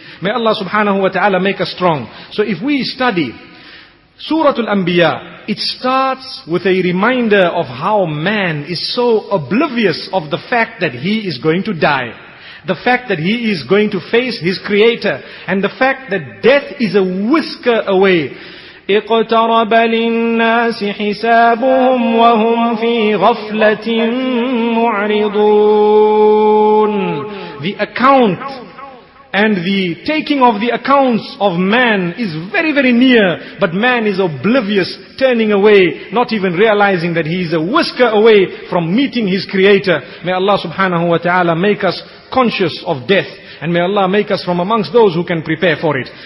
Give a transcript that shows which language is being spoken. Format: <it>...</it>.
<en>May Allah subhanahu wa ta'ala make us strong. So if we study Surah Al-Anbiya, it starts with a reminder of how man is so oblivious of the fact that he is going to die. The fact that he is going to face his creator. And the fact that death is a whisker away.</en> <ar>اقترب للناس حسابهم وهم في غفلة معرضون.</ar> <en>The account and the taking of the accounts of man is very, very near, but man is oblivious, turning away, not even realizing that he is a whisker away from meeting his creator. May Allah subhanahu wa ta'ala make us conscious of death, and may Allah make us from amongst those who can prepare for it.</en>